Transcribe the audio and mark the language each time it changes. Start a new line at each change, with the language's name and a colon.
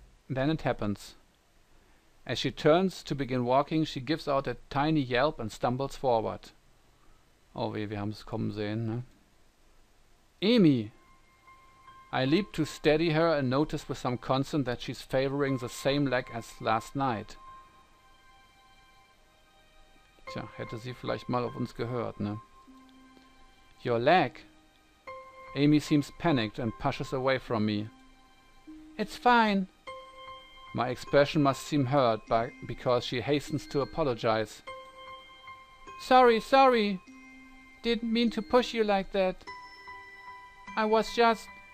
English: Then it happens. As she turns to begin walking, she gives out a tiny yelp and stumbles forward.
German: Oh, wir haben es kommen sehen, ne? Amy!
English: I leap to steady her and notice with some concern that she's favoring the same leg as last night.
German: Tja, hätte sie vielleicht mal auf uns gehört, ne?
English: Your leg? Amy seems panicked and pushes away from me. It's fine. My expression must seem hurt, but because she hastens to apologize. Sorry. Didn't mean to push you like that. I was just...